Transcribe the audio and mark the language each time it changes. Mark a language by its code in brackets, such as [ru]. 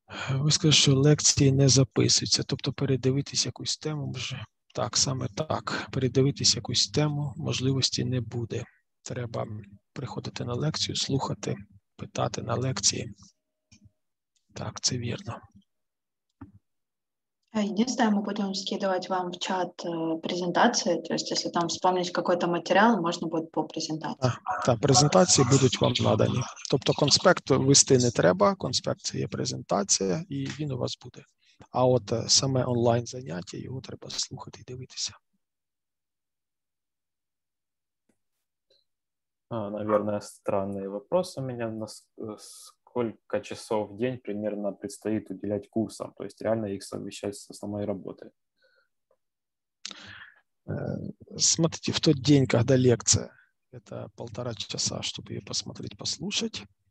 [uk] Ви сказали, що лекції не записуються, тобто передивитись якусь тему вже. Так, саме так. Передивитись якусь тему можливості не буде. Треба приходити на лекцію, слухати, питати на лекції. Так, це вірно. [ru] Единственное, мы будем скидывать вам в чат презентации, то есть если там вспомнить какой-то материал, можно будет по презентации. Так, презентации будут вам наданы. [uk] Тобто конспект вести не треба, конспект є презентація, і він у вас буде. А от саме онлайн заняття, його треба слухати і дивитися. [ru] Наверное, странный вопрос у меня. Сколько часов в день примерно предстоит уделять курсам, то есть реально их совмещать с основной работой? Смотрите, в тот день, когда лекция, это полтора часа, чтобы ее посмотреть, послушать.